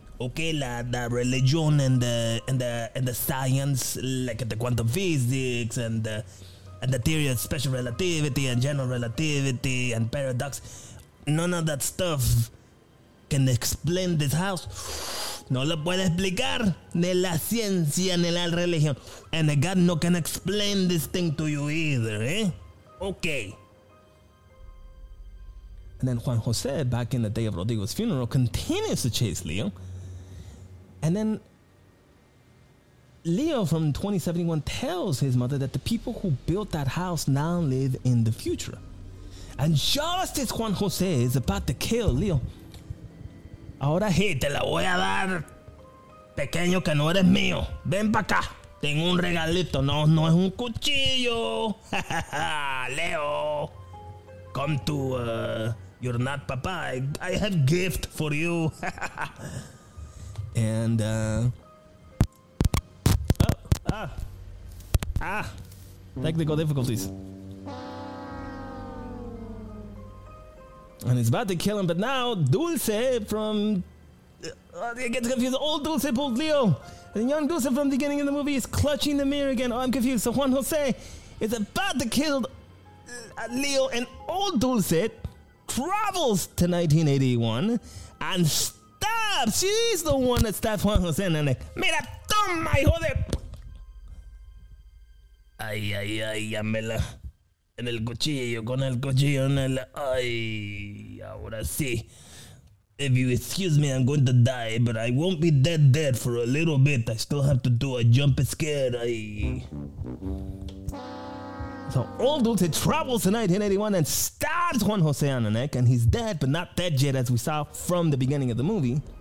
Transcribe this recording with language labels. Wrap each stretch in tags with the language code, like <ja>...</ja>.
<en>Okay, the religion and the science, like the quantum physics and the theory of special relativity and general relativity and paradox. None of that stuff can explain this house.</en> <es>No lo puede explicar ni la ciencia ni la religión.</es> <en>And the God no can explain this thing to you either, eh? Okay. And then Juan José, back in the day of Rodrigo's funeral, continues to chase Leo. And then Leo from 2071 tells his mother that the people who built that house now live in the future. And just as Juan José is about to kill Leo,</en> <es>ahora sí, te la voy a dar, pequeño, que no eres mío. Ven para acá. Tengo un regalito. No, no es un cuchillo.</es> <en>Leo, come to your not papa. I have gift for you. And, technical difficulties. And he's about to kill him, but now Dulce from... I get confused. Old Dulce pulled Leo. And young Dulce from the beginning of the movie is clutching the mirror again. Oh, I'm confused. So Juan José is about to kill Leo, and old Dulce travels to 1981 and stabs. She's the one that stabs Juan José. And I'm like,</en> <es>mira, toma, hijo de... Ay, ay, ay, llámela. En el cuchillo, con el cuchillo, en el... Ay, ahora sí.</es> <en>If you excuse me, I'm going to die, but I won't be dead for a little bit. I still have to do a jump scare. Ay. So old Dulce travels to 1981 and stabs Juan José on the neck, and he's dead, but not dead yet, as we saw from the beginning of the movie.</en>